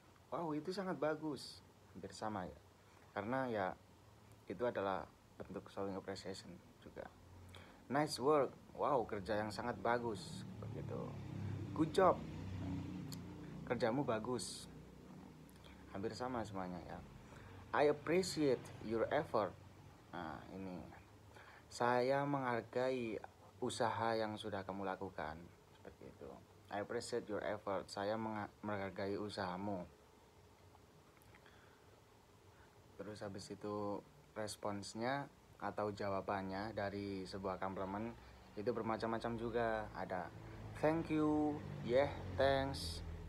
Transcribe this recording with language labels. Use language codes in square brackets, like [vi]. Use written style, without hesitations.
[id] Wow, itu sangat bagus. Hampir sama ya. Karena ya, itu adalah bentuk showing appreciation juga. [en] Nice work. [id] Wow, kerja yang sangat bagus. Begitu. [en] Good job. [id] Kerjamu bagus. Hampir sama semuanya ya. [en] I appreciate your effort. [id] Nah, ini. Saya menghargai usaha yang sudah kamu lakukan. Seperti itu. [en] I appreciate your effort. [id] Saya menghargai usahamu. Terus habis itu responsnya atau jawabannya dari sebuah compliment itu bermacam-macam juga. Ada [en] thank you, yeah, thanks.